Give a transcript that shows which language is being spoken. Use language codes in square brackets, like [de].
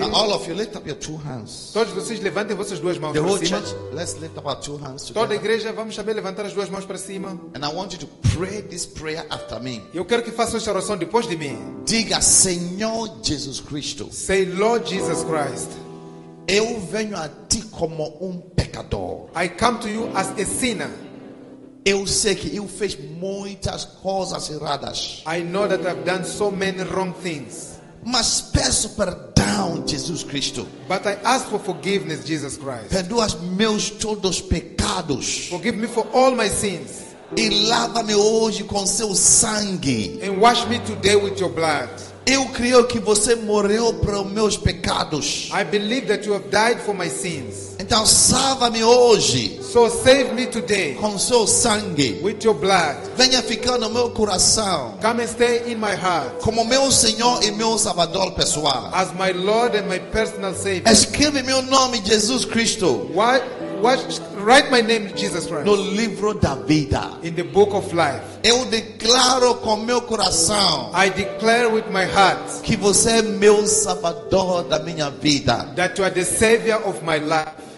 [en] Now, all of you lift up your two hands. [pt] Todos vocês levantem vossas duas mãos [en] the [pt] para cima. [en] Church, let's lift up our two hands together. [pt] Toda a igreja, vamos saber levantar as duas mãos para cima. [en] And I want you to pray this prayer after me. [pt] Eu quero que façam esta oração depois de mim. Diga, Senhor Jesus Cristo. [en] Say, Lord Jesus Christ. [pt] Eu venho a ti como pecador. [en] I come to you as a sinner. [pt] Eu sei que eu fiz muitas coisas erradas. [en] I know that I've done so many wrong things. [pt] Mas peço perdão, Jesus Cristo. [en] But I ask for forgiveness, Jesus Christ. [pt] Perdoa os meus todos os pecados. [en] Forgive me for all my sins. [pt] E lava-me hoje com seu sangue. [en] And wash me today with your blood. [pt] Eu creio que você morreu para os meus pecados. [en] I believe that you have died for my sins. [pt] Então salva-me hoje. [en] So save me today. [pt] Com seu sangue. [en] With your blood. [pt] Venha ficar no meu coração. [en] Come and stay in my heart. [pt] Como meu Senhor e meu Salvador pessoal. [en] As my Lord and my personal Savior. [pt] Escreve meu nome, Jesus Cristo. [en] Write my name, Jesus Christ. [pt] No livro da vida. [en] In the book of life. [pt] Eu declaro com meu coração. [en] I declare with my heart. [pt] Que você é meu Salvador da minha vida. [en] That you are the Savior of my life.